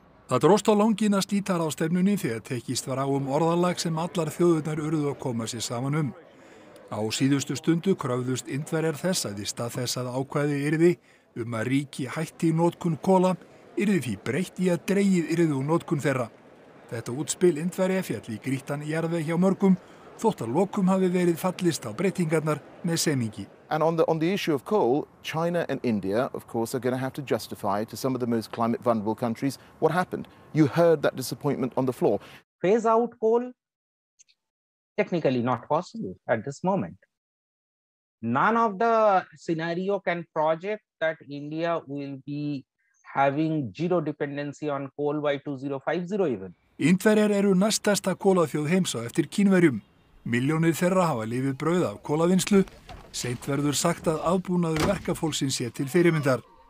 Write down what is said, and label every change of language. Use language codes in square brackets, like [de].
[is] Það dróst á langinn að slíta ráðstefnunni þegar tekist var á orðalag sem allar þjóðurnar urðu að koma sér saman Á síðustu stundu kröfðust Indverjar þess að í stað þess að ákvæði yrði að ríki hætti notkun kola, yrði því breytt í að dregið yrði úr notkun þeirra. Þetta útspil Indverja fjall í grýttan jarðveg hjá mörgum, þótt að lokum hafi verið fallist á breytingarnar með semingi. [en] And on the issue of coal, China and India, of course, are going to have to justify to some of the most climate vulnerable countries what happened. You heard that disappointment on the floor. Phase out coal? Technically not possible at this moment. None of the scenario can project that India will be having zero dependency on coal by 2050 even. [is] Indverjar eru næststærsta kolaþjóð heims á eftir Kínverjum. Milljónir þeirra hafa lifið brauð af kolavinnslu. Seint verður sagt að aðbúnaður verkafólksins sé til fyrirmyndar.